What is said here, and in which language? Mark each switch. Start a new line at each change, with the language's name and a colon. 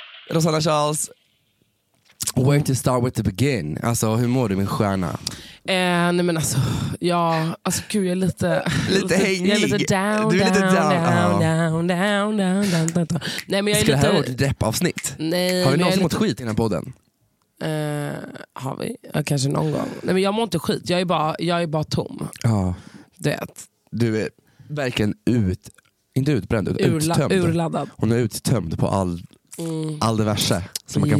English: Rosanna Charles, where to start with the begin?
Swedish: Alltså, hur mår du, min stjärna? Nej men alltså, ja, alltså gud, jag är lite... lite hängig. Jag är lite down, du är lite down,
English: down, down, down, down, down, down, down.
Swedish: Nej, men jag ska är lite... det här vara ett depp-avsnitt? Nej. Har vi någonsin mått skit innan podden? Har vi? Ja, kanske någon gång. Nej men jag mår inte skit, jag är bara tom. Ja. Det. Du är verkligen ut... inte utbränd, utan uttömd. Urladdad. Hon är uttömd på all... mm. All det värsta som man kan